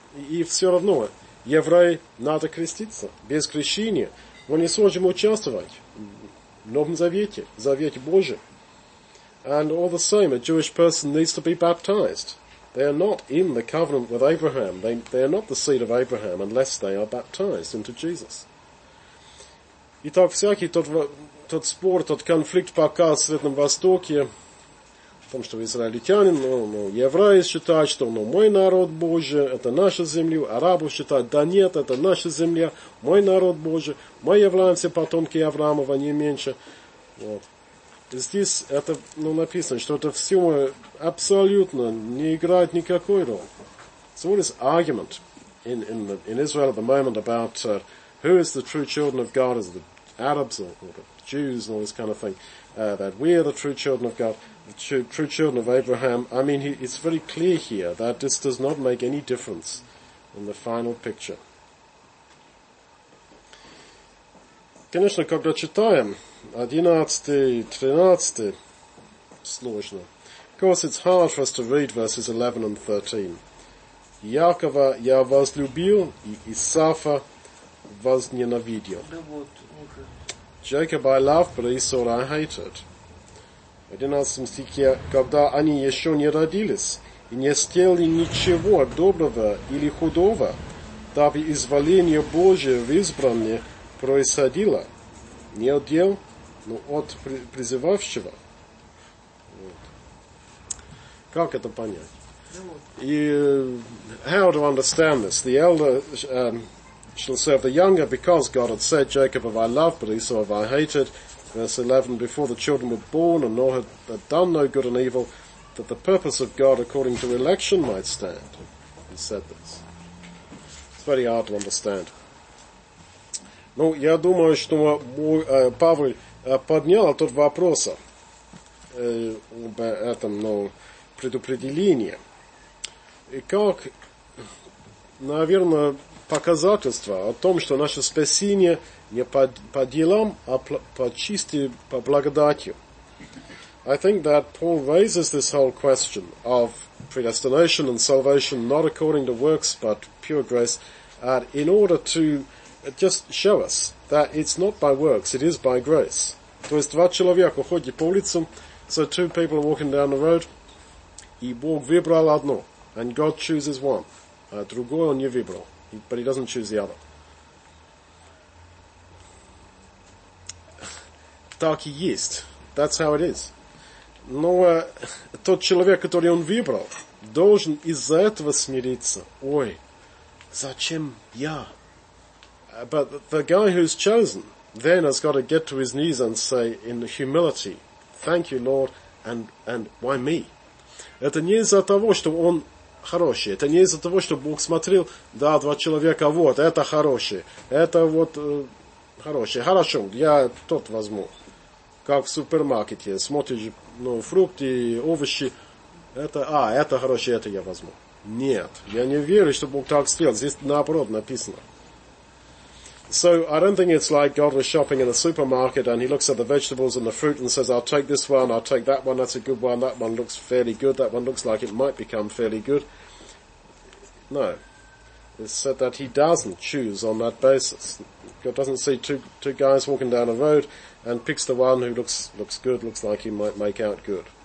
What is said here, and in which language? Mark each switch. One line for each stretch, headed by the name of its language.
Russian: И все равно, евреи надо креститься. Без крещения мы не сможем участвовать в Новом Завете, в Завете Божьем.
English: And all the same, a Jewish person needs to be baptized. They are not in the covenant with Abraham. They are not the seed of Abraham unless they are baptized into Jesus.
Russian: Итак, всякий тот спор, тот конфликт пока в Среднем Востоке, в том, что израильтянин, евреи считают, что мой народ Божий, это наша земля, арабы считают, да нет, это наша земля, мой народ Божий, мы являемся потомки Авраамова, не меньше. Вот. Здесь это написано, что это все абсолютно не играет никакой роли.
English: So what is argument in Israel at the moment about who is the true children of God, is it the Arabs or the Jews and all this kind of thing, that we are the true children of God, the true children of Abraham. I mean, it's very clear here that this does not make any difference in the final picture.
Russian: Конечно, когда читаем 11-13, сложно.
English: Of course, it's hard for us to read verses 11 and 13.
Russian: Якова я возлюбил, и Исафа возненавидел.
English: Jacob I loved, but Esau I hated.
Russian: В 11 стихе, когда они еще не родились, и не сделали ничего доброго или худого, дабы изволение Божие в избранное происходило, не от дел, но от призывавшего. Вот. Как это понять?
English: How to understand this? The elder shall serve the younger, because God had said, Jacob have I loved, but Esau have I hated. Verse 11, before the children were born, and nor had they done no good and evil, that the purpose of God according to election might stand. He said this. It's very hard to understand.
Russian: Я думаю, что Павел поднял тот вопрос об этом предопределении. И как, наверное, показательство о том, что наше спасение не по делам, а по чистой по благодати.
English: I think that Paul raises this whole question of predestination and salvation not according to works but pure grace in order to just show us that it's not by works, it is by grace.
Russian: То есть два человека ходят по улицам,
English: so two people are walking down the road,
Russian: и Бог выбрал одно,
English: and God chooses one,
Russian: а другое он не выбрал,
English: but he doesn't choose the other.
Russian: Так и есть.
English: That's how it is.
Russian: Но тот человек, который он выбрал, должен из-за этого смириться. Ой, зачем я?
English: But the guy who's chosen then has got to get to his knees and say in humility, thank you, Lord, And why me?
Russian: Это не из-за того, что он хороший. Это не из-за того, что Бог смотрел, да, два человека, вот, это хорошие. Это вот хорошие. Хорошо, я тот возьму. Как в супермаркете. Смотришь, ну, фрукты, овощи. Это хорошее, это я возьму. Нет, я не верю, что Бог так сделал. Здесь наоборот написано.
English: So, I don't think it's like God was shopping in a supermarket and he looks at the vegetables and the fruit and says, I'll take this one, I'll take that one, that's a good one, that one looks fairly good, that one looks like it might become fairly good. No. It's said that he doesn't choose on that basis. God doesn't see two guys walking down a road and picks the one who looks good, looks like he might make out good.